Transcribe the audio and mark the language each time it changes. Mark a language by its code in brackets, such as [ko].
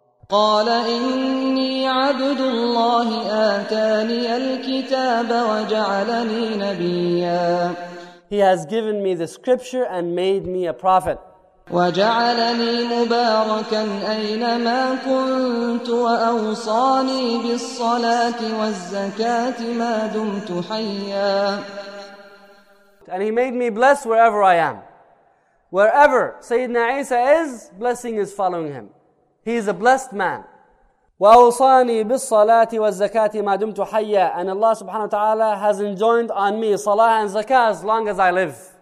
[ar] قال إني عبد الله آتاني الكتاب وجعلني نبيا. [en] He has given me the scripture and made me a prophet. [ar] وجعلني مباركا أينما كنت وأوصاني بالصلاة والزكاة ما دمت حيا. [en] And he made me blessed wherever I am. Wherever Sayyidina Isa is, blessing is following him. He is a blessed man. [ar] وَأَوْصَانِي بِالصَّلَاةِ وَالزَّكَاةِ مَا دُمْتُ حَيَّا. [en] And Allah subhanahu wa ta'ala has enjoined on me salah and zakah as long as I live.